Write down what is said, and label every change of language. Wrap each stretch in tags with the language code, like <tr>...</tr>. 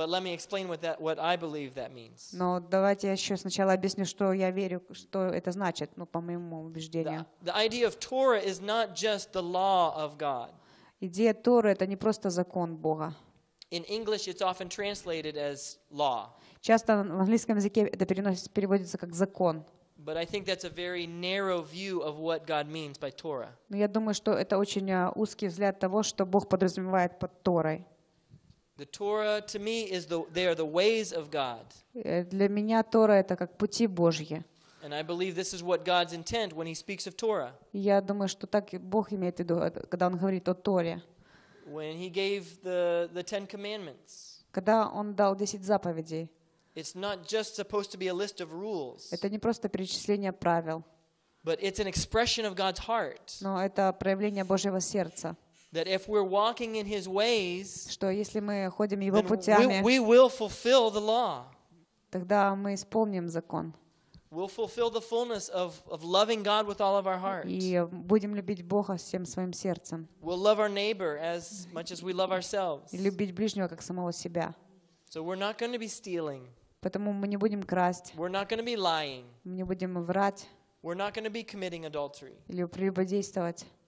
<en>But let me explain what I believe that means.</en> <ru>Но давайте я еще сначала объясню, что я верю, что это значит, по моему убеждению.</ru> <en>The idea of Torah is not just the law of God.</en> <ru>Идея Торы — это не просто закон Бога.</ru> <en>In English, it's often translated as law.</en> <ru>Часто в английском языке это переводится как закон.</ru> <en>But I think that's a very narrow view of what God means by Torah.</en> <ru>Но я думаю, что это очень узкий взгляд того, что Бог подразумевает под Торой.</ru> <en>The Torah to me is they are the ways of God.</en> <ru>Для меня Тора это как пути Божьи.</ru> <en>And I believe this is what God's intent when he speaks of Torah.</en> <ru>Я думаю, что так Бог имеет в виду, когда он говорит о Торе.</ru> <en>When he gave the 10 commandments.</en> <ru>Когда он дал 10 заповедей.</ru> <en>It's not just supposed to be a list of rules.</en> <ru>Это не просто перечисление правил.</ru> <en>But it's an expression of God's heart.</en> <ru>Но это проявление Божьего сердца.</ru> <en>That if we're walking in his ways,</en> <ru>что если мы ходим его путями,</ru> <en>we will fulfill the law.</en> <ru>Тогда мы исполним закон.</ru> <en>We'll fulfill the fullness of loving God with all of our hearts.</en> <ru>И будем любить Бога всем своим сердцем.</ru> <en>We'll love our neighbor as much as we love ourselves.</en> <ru>И любить ближнего как самого себя.</ru> <en>So we're not going to be stealing.</en> <ru>Поэтому мы не будем красть.</ru> <en>We're not going to be lying.</en> <ru>Мы не будем врать.</ru> <en>We're not going to be committing adultery.</en> <ru>Или прелюбодействовать.</ru>